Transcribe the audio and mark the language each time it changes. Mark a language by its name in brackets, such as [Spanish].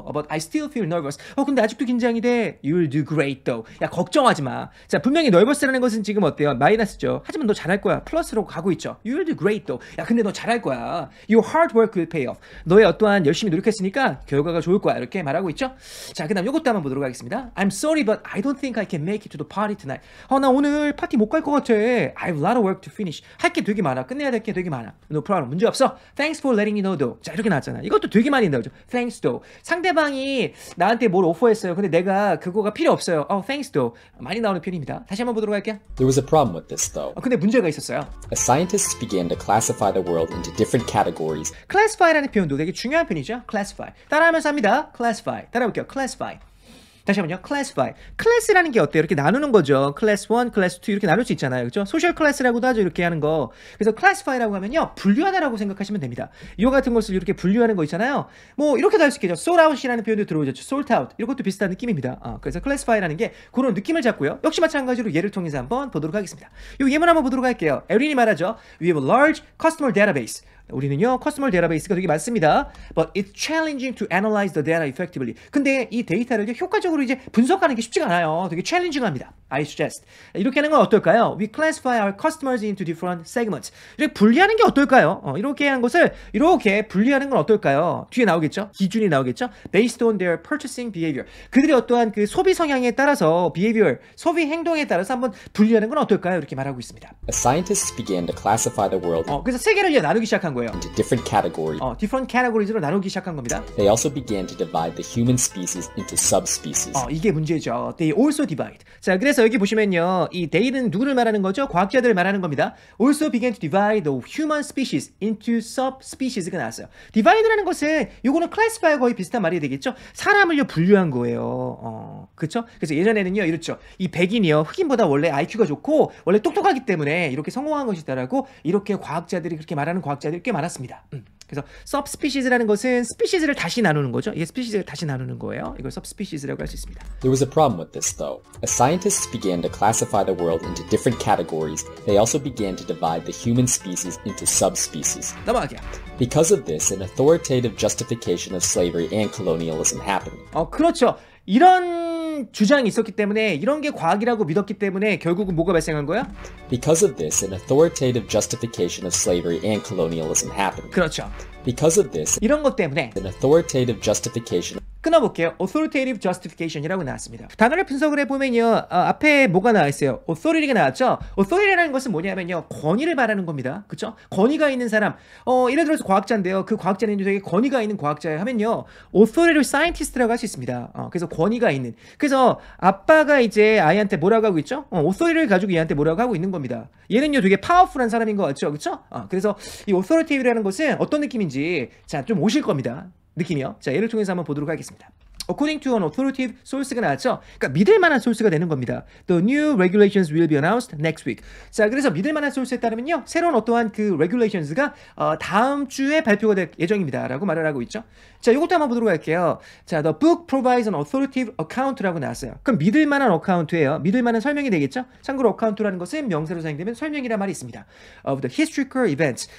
[English] But I still feel nervous. [Korean] 근데 아직도 긴장이 돼. [English] You'll do great though. [Korean] 야, 걱정하지 마. 자, 분명히 nervous라는 것은 지금 어때요? 마이너스죠. 하지만 너 잘할 거야. 플러스로 가고 있죠. [English] You'll do great though. [Korean] 야, 근데 너 잘할 거야. [English] Your hard work will pay off. [Korean] 너의 어떠한 열심히 노력했으니까 결과가 좋을 거야. 이렇게 말하고 있죠. 자, 그 다음 요것도 한번 보도록 하겠습니다. [English] I'm sorry but I don't think I can make it to the party tonight. [Korean] 나 오늘 파티 못 갈 것 같아. [English] I have a lot of work to finish. [Korean] 할 게 되게 많아. 끝내야 될 게 되게 많아. [English] No problem. [Korean] 문제 없어. [English] Thanks for letting me know though. [Korean] 자, 이렇게 나왔잖아. 이것도 되게 많이 나오죠. [English] Thanks though. [Korean] 상대방이 나한테 뭘 오퍼했어요. 근데 내가 그거가 필요 없어요. [English] Oh, thanks though. [Korean] 많이 나오는 표현입니다. 다시 한번 보도록 할게요. [English] There was a problem with this though. [Korean] 근데 문제가 있었어요. [English] As scientists began to classify the world into different categories. [Korean] Classify라는 표현도 되게 중요한 표현이죠. Classify. 따라하면서 합니다. Classify. 따라해볼게요. Classify. 다시한번요. Classify. Class라는 게 어때요? 이렇게 나누는 거죠. Class 1, Class 2 이렇게 나눌 수 있잖아요. 그렇죠? Social Class라고도 하죠. 이렇게 하는 거. 그래서 Classify라고 하면요. 분류하다라고 생각하시면 됩니다. 이와 같은 것을 이렇게 분류하는 거 있잖아요. 뭐 이렇게도 할 수 있겠죠. Sort Out이라는 표현도 들어오셨죠. Sort Out. 이것도 비슷한 느낌입니다. 그래서 Classify라는 게 그런 느낌을 잡고요. 역시 마찬가지로 예를 통해서 한번 보도록 하겠습니다. 요 예문 한번 보도록 할게요. 에린이 말하죠. [English] We have a large customer database. [Korean] 우리는요 커스터머 데이터베이스가 되게 많습니다. [English] But it's challenging to analyze the data effectively. [Korean] 근데 이 데이터를 효과적으로 이제 분석하는 게 쉽지가 않아요. 되게 challenging합니다. [English] I suggest [Korean] 이렇게 하는 건 어떨까요? [English] We classify our customers into different segments. [Korean] 이렇게 분리하는 게 어떨까요? 이렇게 하는 것을 이렇게 분리하는 건 어떨까요? 뒤에 나오겠죠? 기준이 나오겠죠? [English] Based on their purchasing behavior. [Korean] 그들이 어떠한 그 소비 성향에 따라서 behavior, 소비 행동에 따라서 한번 분리하는 건 어떨까요? 이렇게 말하고 있습니다. [English] A scientist began to classify the world. [Korean] 그래서 세계를 이제 나누기 시작한 거예요. [English] Into different categories. [Korean] Different categories로 나누기 시작한 겁니다. [English] They also began to divide the human species into subspecies. [Korean] 이게 문제죠. [English] They also divide. [Korean] 자, 그래서 여기 보시면요, 이 데이는 누구를 말하는 거죠? 과학자들을 말하는 겁니다. [English] Also began to divide the human species into subspecies가 나왔어요. [Korean] Divide라는 것은 이거는 classify와 거의 비슷한 말이 되겠죠? 사람을 분류한 거예요. 그렇죠? 그래서 예전에는요, 이렇죠. 이 백인이요, 흑인보다 원래 IQ가 좋고 원래 똑똑하기 때문에 이렇게 성공한 것이다라고 이렇게 과학자들이 그렇게 말하는 과학자들이 꽤 많았습니다. 그래서 subspecies라는 것은 species를 다시 나누는 거죠. 이게 species를 다시 나누는 거예요. 이걸 subspecies라고 할 수 있습니다. [English] There was a problem with this though. As scientists began to classify the world into different categories, they also began to divide the human species into subspecies. [Korean] 넘어가게요. [English] Because of this, an authoritative justification of slavery and colonialism happened. [Korean] 그렇죠. 이런 주장이 있었기 때문에 이런 게 과학이라고 믿었기 때문에 결국은 뭐가 발생한 거야? [English] Because of this, an authoritative justification of slavery and colonialism happened. [Korean] 그렇죠. [English] Because of this, [Korean] 이런 것 때문에 [English] an authoritative justification. [Korean] 끊어볼게요. Authoritative justification이라고 나왔습니다. 단어를 분석을 해보면요. 앞에 뭐가 나와있어요? Authority가 나왔죠? Authority라는 것은 뭐냐면요. 권위를 말하는 겁니다. 그렇죠? 권위가 있는 사람. 예를 들어서 과학자인데요. 그 과학자는 되게 권위가 있는 과학자예요. 하면요. Authority scientist라고 할 수 있습니다. 그래서 권위가 있는. 그래서 아빠가 이제 아이한테 뭐라고 하고 있죠? Authority를 가지고 얘한테 뭐라고 하고 있는 겁니다. 얘는요. 되게 파워풀한 사람인 것 같죠? 그렇죠? 그래서 이 authoritative라는 것은 어떤 느낌인지 자, 좀 오실 겁니다. 느낌이요. 자, 예를 통해서 한번 보도록 하겠습니다. [English] According to an authoritative source가 나왔죠. [Korean] 그러니까 믿을 만한 소스가 되는 겁니다. [English] The new regulations will be announced next week. [Korean] 자, 그래서 믿을 만한 소스에 따르면요. 새로운 어떠한 그 regulations가 다음 주에 발표가 될 예정입니다라고 말을 하고 있죠. 자, 이것도 한번 보도록 할게요. 자, [English] the book provides an authoritative account [Korean] 라고 나왔어요. 그럼 믿을 만한 account예요. 믿을 만한 설명이 되겠죠? 참고로 account라는 것은 명사로 사용되면 설명이라는 말이 있습니다. [English] Of the historical events.